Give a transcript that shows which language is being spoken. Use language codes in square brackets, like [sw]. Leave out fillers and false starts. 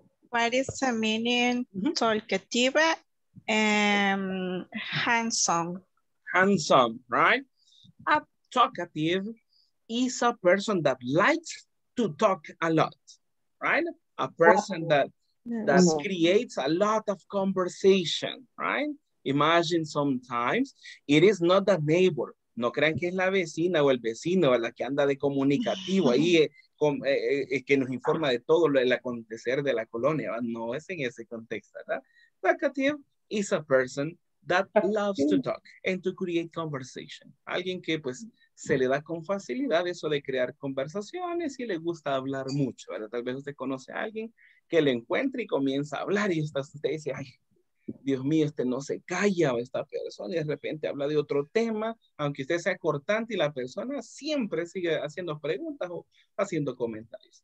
[en] What is the meaning talkative and handsome? Handsome, right? A talkative is a person that likes to talk a lot, right? A person that creates a lot of conversation, right? Imagine sometimes it is not the neighbor. [es] No crean que es la vecina o el vecino la que anda de comunicativo ahí, que nos informa de todo el acontecer de la colonia. No es en ese contexto, ¿verdad? [en] Talkative is a person that loves to talk and to create conversation. [es] Alguien que pues se le da con facilidad eso de crear conversaciones y le gusta hablar mucho, ¿verdad? Tal vez usted conoce a alguien que le encuentra y comienza a hablar y usted dice, ay, Dios mío, este no se calla, esta persona, y de repente habla de otro tema, aunque usted sea cortante y la persona siempre sigue haciendo preguntas o haciendo comentarios.